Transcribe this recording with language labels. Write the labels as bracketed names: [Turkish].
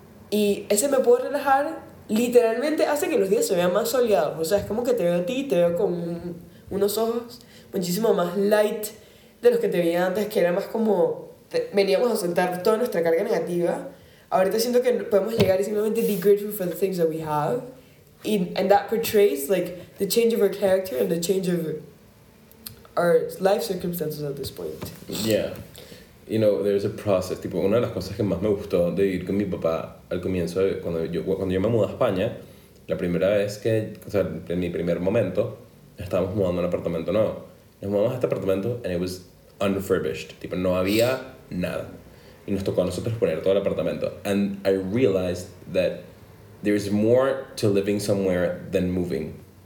[Spanish] Y ese me puedo relajar literalmente hace que los días se vean más soleados. O sea, es como que te veo a ti, te veo con unos ojos muchísimo más light de los que te veía antes, que era más como veníamos a soltar toda nuestra carga negativa. Ahorita siento que podemos llegar y simplemente [English] be grateful for the things that we have. And that portrays like the change of our character and the change of our life circumstances at this point. Yeah. You know, there's a process. [Spanish] Tipo, una de las cosas que más me gustó de ir con mi papá al comienzo, cuando yo me mudé a España, la primera vez que, o sea, en mi primer momento, estábamos mudando un apartamento nuevo. Nos mudamos a este apartamento [English] and it was unrefurbished. [Spanish] Tipo, no había nada. Y nos tocó a nosotros poner todo el apartamento. [English] And I realized that there is more to living somewhere than moving.